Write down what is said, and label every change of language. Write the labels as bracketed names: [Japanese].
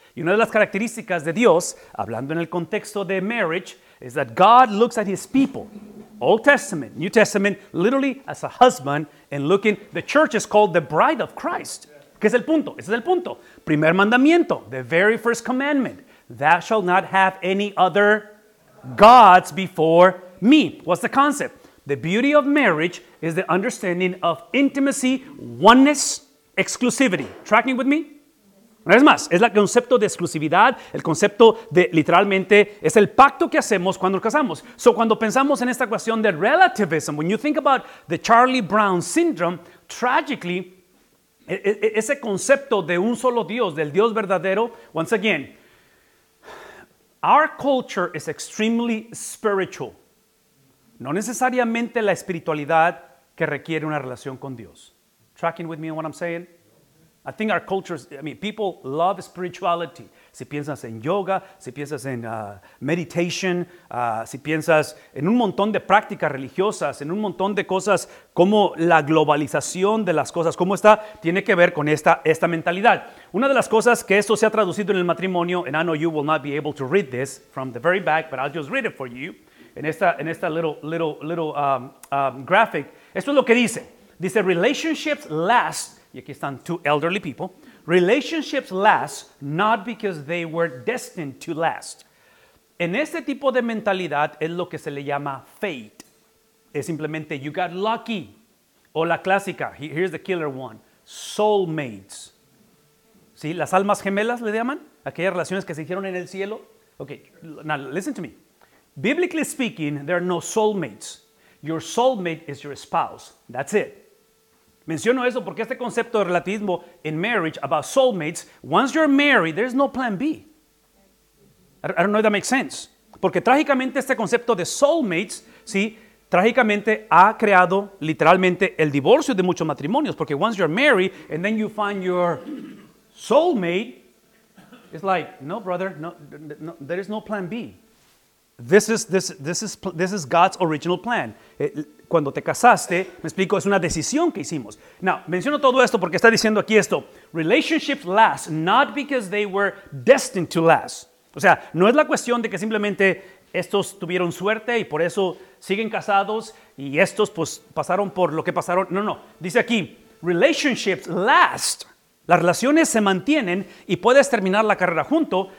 [Spanish] Y una de las características de Dios, hablando en el contexto de [English] marriage, is that God looks at his people, Old Testament, New Testament, literally as a husband, and looking, the church is called the bride of Christ. [Spanish] ¿Qué es el punto? Ese es el punto. Primer mandamiento, [English] the very first commandment, thou shalt not have any other gods before me. What's the concept? The beauty of marriage is the understanding of intimacy, oneness, exclusivity. Tracking with me? [Spanish] Una vez más, es el concepto de exclusividad, el concepto de, literalmente, es el pacto que hacemos cuando nos casamos. So, cuando pensamos en esta cuestión de relativism, [English] when you think about the Charlie Brown syndrome, tragically, [Spanish] ese concepto de un solo Dios, del Dios verdadero, [English] once again, our culture is extremely spiritual. [Spanish] No necesariamente la espiritualidad que requiere una relación con Dios. [English] Tracking with me on what I'm saying? I think our cultures, I mean, people love spirituality. [Spanish] Si piensas en yoga, si piensas en meditation, si piensas en un montón de prácticas religiosas, en un montón de cosas como la globalización de las cosas, cómo está, tiene que ver con esta mentalidad. Una de las cosas que esto se ha traducido en el matrimonio, [English] and I know you will not be able to read this from the very back, but I'll just read it for you, [Spanish] en esta little graphic. Esto es lo que dice. Dice, [English] relationships last. [Spanish] Y aquí están [English] two elderly people. Relationships last not because they were destined to last. [Spanish] En este tipo de mentalidad es lo que se le llama fate. Es simplemente [English] you got lucky. [Spanish] O la clásica, [English] here's the killer one, soulmates. ¿Sí? [Spanish] Las almas gemelas le llaman. Aquellas relaciones que se hicieron en el cielo. [English] Okay, now listen to me. Biblically speaking, there are no soulmates. Your soulmate is your spouse. That's it. [Spanish] Menciono eso porque este concepto de relativismo [English] in marriage about soulmates, once you're married, there's no plan B. I don't know if that makes sense. [Spanish] Porque trágicamente este concepto de soulmates, sí, trágicamente ha creado literalmente el divorcio de muchos matrimonios. [English] Porque once you're married and then you find your soulmate, it's like, no, brother, no, there is no plan B. This is God's original plan. [Spanish] Cuando te casaste, me explico, es una decisión que hicimos. Now, menciono todo esto porque está diciendo aquí esto. [English] Relationships last not because they were destined to last. [Spanish] O sea, no es la cuestión de que simplemente estos tuvieron suerte y por eso siguen casados y estos pues pasaron por lo que pasaron. No, no. Dice aquí, [English] relationships last. [Spanish] Las relaciones se mantienen y puedes terminar la carrera junto.